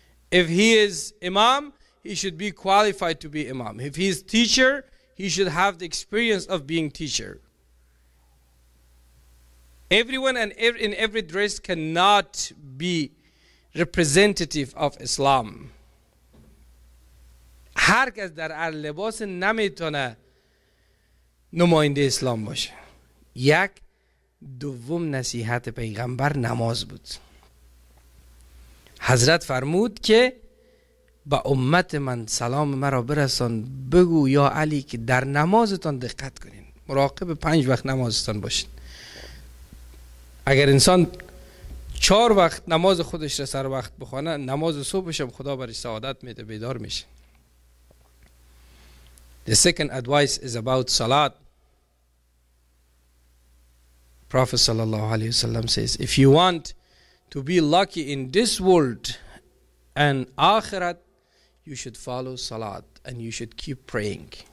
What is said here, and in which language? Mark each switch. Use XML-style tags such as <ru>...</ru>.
<en>If he is imam, he should be qualified to be imam. If he is teacher, he should have the experience of being teacher. Everyone and in every dress cannot be representative of Islam.</en> <fa>هر کس در لباس نمیتونه نماینده اسلام باشه. یک دوم نصیحت پیغمبر نماز بود. حضرت فرمود که به امت من سلام مرا برسان، بگو یا علی که در نمازتان دقت کنین، مراقب پنج وقت نمازتان باشین. اگر انسان چهار وقت نماز خودش را سر وقت بخونه، نماز صبحش هم خدا برش سعادت میده، بیدار میشه.</fa> <en>The second advice is about salat. Prophet sallallahu alaihi wasallam says, if you want to be lucky in this world and akhirat, you should follow salat and you should keep praying.</en>